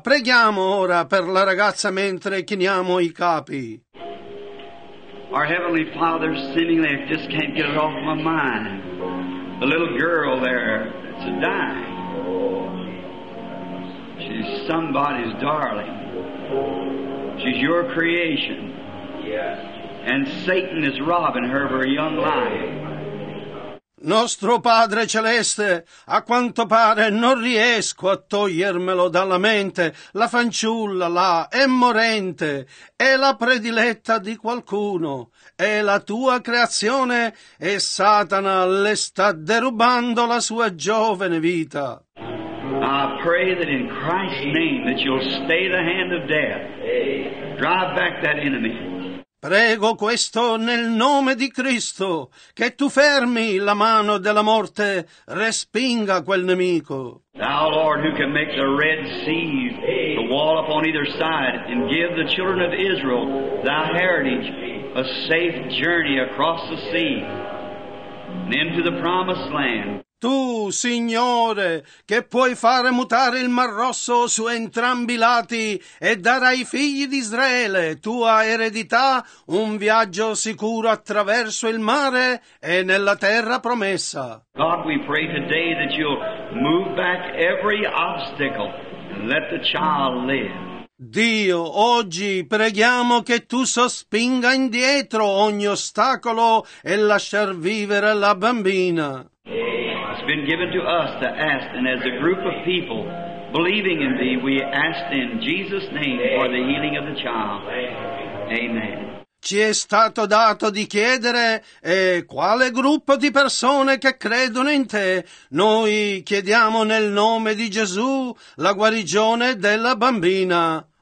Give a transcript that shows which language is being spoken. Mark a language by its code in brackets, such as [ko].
[it] Preghiamo ora per la ragazza mentre chiniamo i capi. [en] Our Heavenly Father, seemingly I just can't get it off my mind. The little girl there, it's a dying. She's somebody's darling. She's your creation. And Satan is robbing her of her young life. [it] Nostro Padre Celeste, a quanto pare non riesco a togliermelo dalla mente. La fanciulla là è morente, è la prediletta di qualcuno, è la tua creazione e Satana le sta derubando la sua giovane vita. [en] I pray that in Christ's name that you'll stay the hand of death. Drive back that enemy. [it] Prego questo nel nome di Cristo, che tu fermi la mano della morte, respinga quel nemico. [en] Thou, Lord, who can make the Red Sea the wall upon either side, and give the children of Israel, thy heritage, a safe journey across the sea, and into the promised land. [it] Tu, Signore, che puoi fare mutare il Mar Rosso su entrambi i lati e dare ai figli di Israele, tua eredità, un viaggio sicuro attraverso il mare e nella terra promessa. [en] God, we pray today that you'll move back every obstacle and let the child live. [it] Dio, oggi preghiamo che tu sospinga indietro ogni ostacolo e lasciar vivere la bambina. [en] Been given to us to ask, and as a group of people believing in thee, we ask in Jesus' name for the healing of the child. Amen. [it] ci è stato dato di chiedere quale gruppo di persone che credono in te. Noi chiediamo nel nome di Gesù la guarigione della bambina.